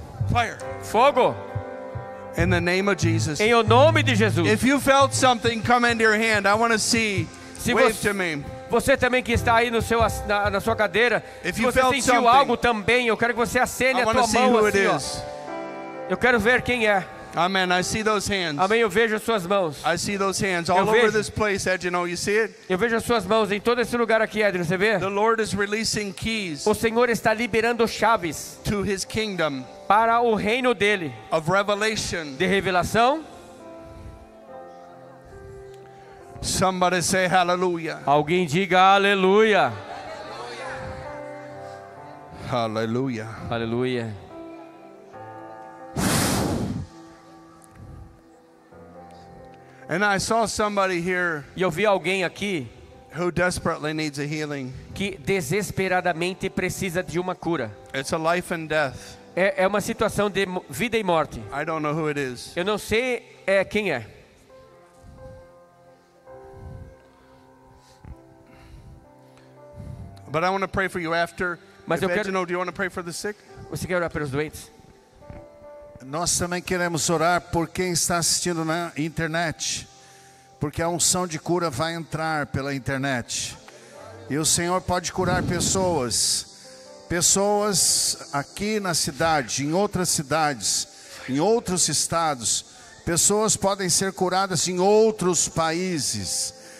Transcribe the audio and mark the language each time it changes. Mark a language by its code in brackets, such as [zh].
[en] Fire. [pt] Fogo. [en] In the name of Jesus. [pt] Em o nome de Jesus. [en] If you felt something come into your hand, I want to see. Se wave to me. [pt] Você também que está aí no seu na sua cadeira. [en] If [pt] se [en] you [pt] você [en] felt [pt] sentiu algo também, eu quero que você acene [en] I [pt] a tua mão assim. [en] Who it is. [pt] Eu quero ver quem é. [en] Amen. I see those hands. [pt] Amém, eu vejo as suas mãos. [en] I see those hands all over this place, Edno. You see it? [pt] Eu vejo as suas mãos em todo esse lugar aqui, Edno. Você vê? [en] The Lord is releasing keys. [pt] O Senhor está liberando chaves. [en] To His kingdom. [pt] Para o reino dele. [en] Of revelation. [pt] De revelação. [en] Somebody say hallelujah. [pt] Alguém diga aleluia. [en] Hallelujah. [pt] Hallelujah. [en] And I saw somebody here. [pt] Eu vi alguém aqui. [en] Who desperately needs a healing. [pt] Que desesperadamente precisa de uma cura. [en] It's a life and death. [pt] É uma situação de vida e morte. [en] I don't know who it is. [pt] Eu não sei quem é. [en] But I want to pray for you after. [pt] Mas eu quero. [en] Do you want to pray for the sick? [pt] Você quer orar pelos doentes? Nós também queremos orar por quem está assistindo na internet, porque a unção de cura vai entrar pela internet e o Senhor pode curar pessoas. Pessoas aqui na cidade, em outras cidades, em outros estados, pessoas podem ser curadas em outros países.